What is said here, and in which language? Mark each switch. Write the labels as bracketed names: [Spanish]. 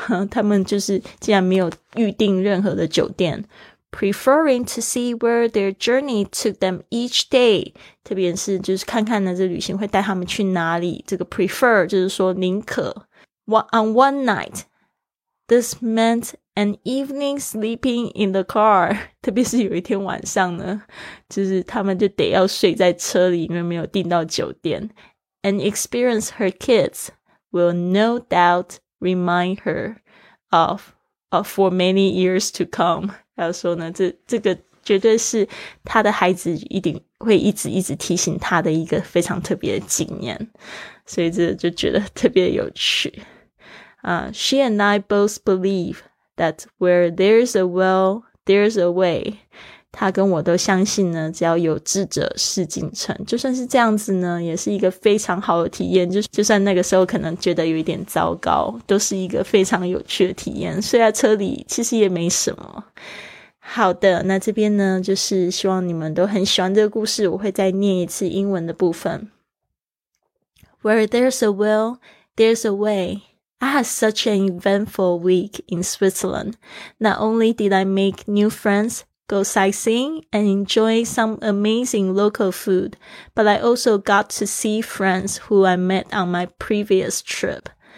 [Chinese] 他们就是竟然没有预订任何的酒店 [English] preferring to see where their journey took them each day [Chinese] 特别是就是看看呢这旅行会带他们去哪里这个 [English] prefer [Chinese] 就是说宁可 [English] on one nightThis meant an evening sleeping in the car. [Chinese] 特别是有一天晚上呢，就是他们就得要睡在车里，因为没有订到酒店。 [English] An experience her kids will no doubt remind her of, for many years to come. [Chinese] 他说呢，这个绝对是他的孩子一定会一直一直提醒他的一个非常特别的经验，所以这就觉得特别有趣。 [English] She and I both believe that where there's a will, there's a way. [Chinese] 她跟我都相信呢，只要有志者事竟成。就算是这样子呢，也是一个非常好的体验。就算那个时候可能觉得有一点糟糕，都是一个非常有趣的体验。睡在车里其实也没什么。好的，那这边呢，就是希望你们都很喜欢这个故事。我会再念一次英文的部分。 [English] Where there's a will, there's a way. I had such an eventful week in Switzerland. Not only did I make new friends go sightseeing and enjoy some amazing local food, but I also got to see friends who I met on my previous trip.